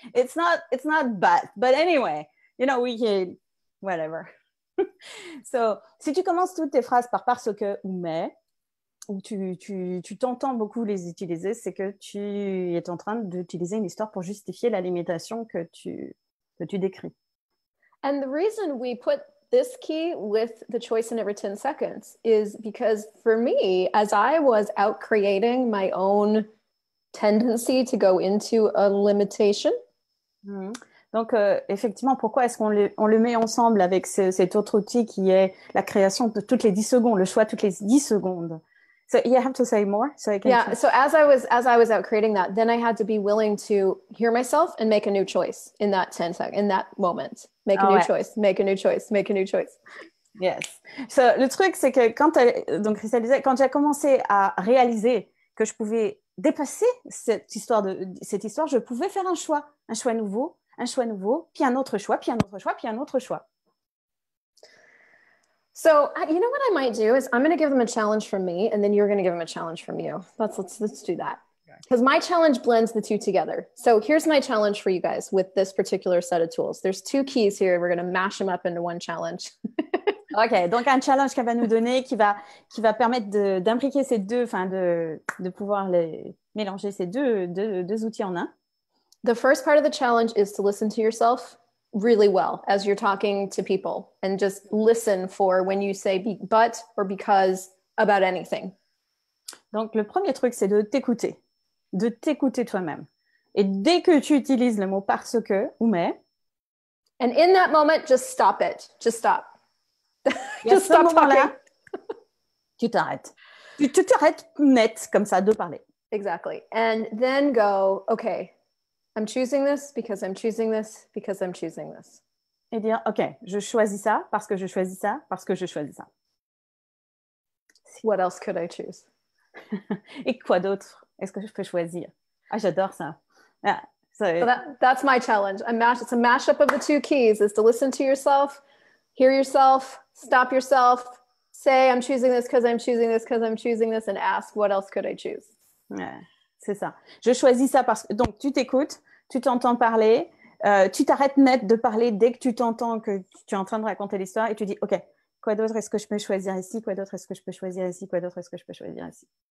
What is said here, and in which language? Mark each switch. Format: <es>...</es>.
<en>It's not but. But anyway, you know, we can, whatever.</en> <fr>So, si tu commences toutes tes phrases par parce que ou mais, ou tu t'entends beaucoup les utiliser, c'est que tu es en train d'utiliser une histoire pour justifier la limitation que tu décris.</fr> <en>And the reason we put this key with the choice in every 10 seconds is because for me, as I was out creating my own tendency to go into a limitation. Mm-hmm.</en> <fr>Donc, effectivement, pourquoi est-ce qu'on le met ensemble avec cet autre outil qui est la création de toutes les 10 secondes, le choix toutes les 10 secondes?</fr> <en>So you have to say more so I can. Yeah, so as I was out creating that, then I had to be willing to hear myself and make a new choice in that 10 seconds, in that moment. Make a new choice, make a new choice, make a new choice. Yes.</en> <fr>So le truc, c'est que quand j'ai commencé à réaliser que je pouvais dépasser cette histoire, je pouvais faire un choix nouveau, puis un autre choix, puis un autre choix, puis un autre choix.</fr> <en>So, you know what I might do is I'm going to give them a challenge from me and then you're going to give them a challenge from you. Let's do that. Because my challenge blends the two together. So here's my challenge for you guys with this particular set of tools. There's two keys here. We're going to mash them up into one challenge.</en> <fr>OK, donc un challenge qu'elle va nous donner qui va permettre d'imbriquer ces deux, enfin de pouvoir les mélanger ces deux outils en un.</fr> <en>The first part of the challenge is to listen to yourself really well as you're talking to people and just listen for when you say but or because about anything.</en> <fr>Donc le premier truc, c'est de t'écouter toi-même. Et dès que tu utilises le mot parce que ou mais,</fr> <en>and in that moment, just stop it. Just stop. Just stop talking.</en> <fr>Tu t'arrêtes. Tu t'arrêtes net comme ça de parler.</fr> <en>Exactly. And then go, okay, I'm choosing this because I'm choosing this because I'm choosing this.</en> <fr>Et dire, OK, je choisis ça parce que je choisis ça parce que je choisis ça.</fr> <en>What else could I choose?</en> <fr>Et quoi d'autre est-ce que je peux choisir? Ah, j'adore ça. Yeah,</fr> <en>so that's my challenge. It's a mashup of the two keys, is to listen to yourself, hear yourself, stop yourself, say, I'm choosing this because I'm choosing this because I'm choosing this, and ask, what else could I choose?</en> <fr>Yeah. C'est ça. Je choisis ça parce que... Donc, tu t'écoutes, tu t'entends parler, tu t'arrêtes net de parler dès que tu t'entends que tu es en train de raconter l'histoire et tu dis, OK, quoi d'autre est-ce que je peux choisir ici? Quoi d'autre est-ce que je peux choisir ici? Quoi d'autre est-ce que je peux choisir ici?</fr>